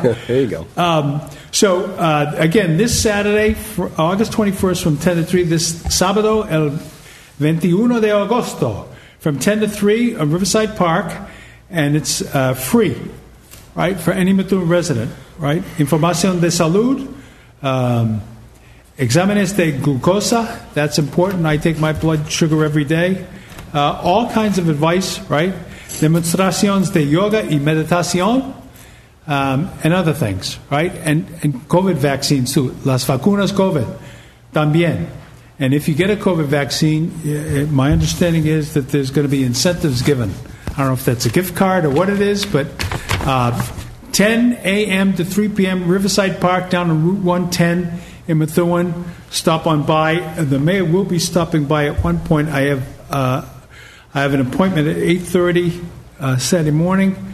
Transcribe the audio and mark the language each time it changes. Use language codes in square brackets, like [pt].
[en] There you go. Again, this Saturday, August 21st from 10 to 3, this [es] Sábado, el 21 de Agosto, [en] from 10 to 3 of Riverside Park, and it's free, right, for any Methuen resident. [es] Right, información de salud, exámenes de glucosa. [en] That's important. I take my blood sugar every day. All kinds of advice. [es] Right, demonstraciones de yoga y meditación, [en] and other things. Right, and COVID vaccines too. [es] Las vacunas COVID, también. [en] And if you get a COVID vaccine, my understanding is that there's going to be incentives given. I don't know if that's a gift card or what it is, but. 10 a.m. to 3 p.m. Riverside Park down on Route 110 in Methuen. Stop on by. The mayor will be stopping by at one point. I have an appointment at 8:30 Saturday morning.